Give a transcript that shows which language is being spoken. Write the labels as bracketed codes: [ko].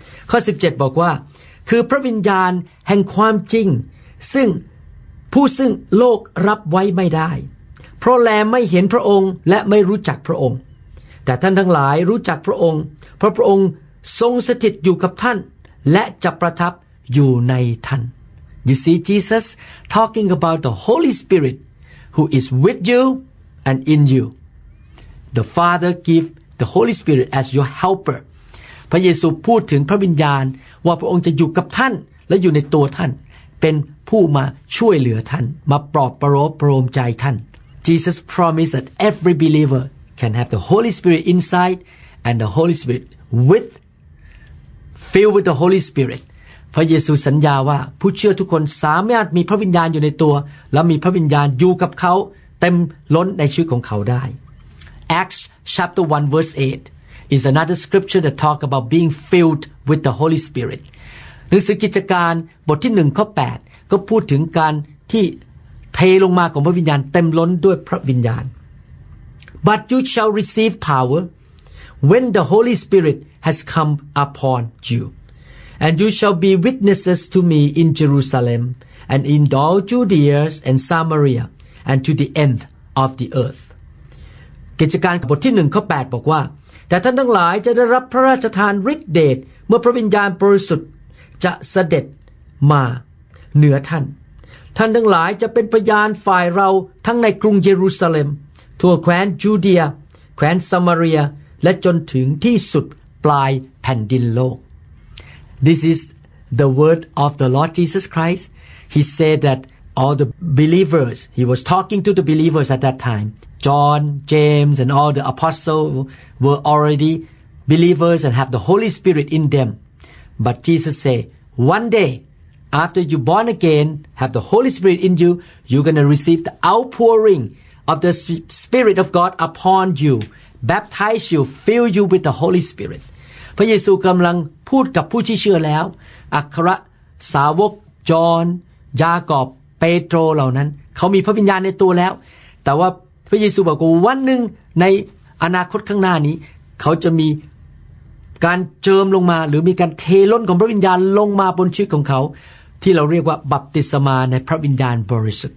[th] ข้อ17บอกว่าคือพระวิญญาณแห่งความจริงซึ่งผู้ซึ่งโลกรับไว้ไม่ได้เพราะแลไม่เห็นพระองค์และไม่รู้จักพระองค์แต่ท่านทั้งหลายรู้จักพระองค์เพราะพระองค์ทรงสถิตอยู่กับท่านและจะประทับอยู่ในท่าน [en] You see Jesus talking about the Holy Spirit who is with you and in you The Father give the Holy Spirit as your helper [th] พระเยซูพูดถึงพระวิญญาณว่าพระองค์จะอยู่กับท่านและอยู่ในตัวท่านเป็นผู้มาช่วยเหลือท่านมาปลอบประโลมใจท่าน [en] Jesus promised that every believer can have the Holy Spirit inside and the Holy Spirit with filled with the Holy Spirit [th] พระเยซูสัญญาว่าผู้เชื่อทุกคนสามารถมีพระวิญญาณอยู่ในตัวและมีพระวิญญาณอยู่กับเขาเต็มล้นในชีวิตของเขาได้ [en] Acts chapter 1 verse 8is another scripture that talk about being filled with the Holy Spirit. [th] หนังสือกิจการบทที่1ข้อ8ก็พูดถึงการที่เทลงมาของพระวิญญาณเต็มล้นด้วยพระวิญญาณ [en] But you shall receive power when the Holy Spirit has come upon you. And you shall be witnesses to me in Jerusalem and in all Judea and Samaria and to the end of the earth. [th] กิจการบทที่1ข้อ8บอกว่าแต่ท่านทั้งหลายจะได้รับพระราชทานฤทธิ์เดชเมื่อพระวิญญาณบริสุทธิ์จะเสด็จมาเหนือท่านท่านทั้งหลายจะเป็นพยานฝ่ายเราทั้งในกรุงเยรูซาเล็มทั่วแคว้นยูเดียแคว้นซามาเรียและจนถึงที่สุดปลายแผ่นดินโลก [en] This is the word of the Lord Jesus Christ. He said that all the believers, he was talking to the believers at that time. John, James, and all the apostles were already believers and have the Holy Spirit in them. But Jesus said, one day, after you're born again, have the Holy Spirit in you, you're going to receive the outpouring of the Spirit of God upon you, baptize you, fill you with the Holy Spirit. [th] พระเยซูกำลังพูดกับผู้ที่เชื่อแล้วอัครสาวกจอห์นยากอบเปโตรเหล่านั้นเขามีพระวิญญาณในตัวแล้วแต่ว่าพระเยซูบอกว่าวันหนึ่งในอนาคตข้างหน้านี้เขาจะมีการเจิมลงมาหรือมีการเทล้นของพระวิญญาณลงมาบนชีวิตของเขาที่เราเรียกว่าบัพติศมาในพระวิญญาณบริสุทธิ